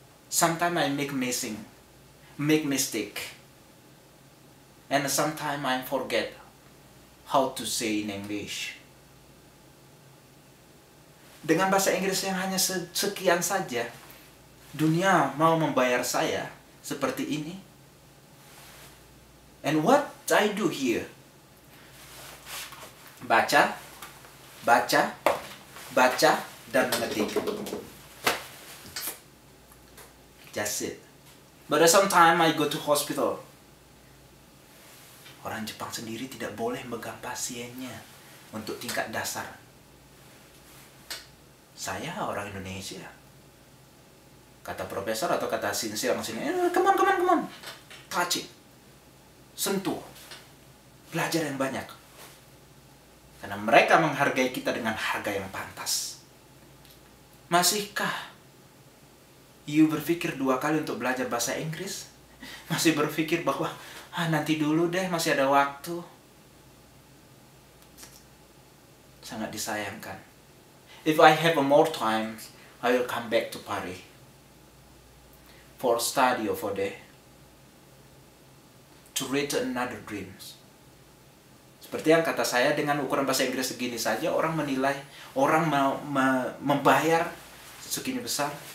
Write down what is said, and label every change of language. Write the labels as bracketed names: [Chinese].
[English] Sometimes I make mistake. And sometimes I forget how to say in English. [Indonesian] Dengan bahasa Inggris yang hanya sekian saja, dunia mau membayar saya seperti ini. [English] And what I do here? [Indonesian] Baca, baca, baca, dan mengetik. [English] That's it. But sometimes I go to hospital. [Indonesian] Orang Jepang sendiri tidak boleh megang pasiennya untuk tingkat dasar. Saya orang Indonesia. Kata profesor atau kata sensei orang sini, [English] come on, come on, come on. Touch it. [Indonesian] Sentuh. Belajar yang banyak. Karena mereka menghargai kita dengan harga yang pantas. Masihkah you berpikir dua kali untuk belajar bahasa Inggris? Masih berpikir bahwa, ah nanti dulu deh, masih ada waktu. Sangat disayangkan. [English] If I have more time, I will come back to Paris. For study over there. To reach another dreams. [Indonesian] Seperti yang kata saya, dengan ukuran bahasa Inggris segini saja, orang menilai, orang membayar segini besar.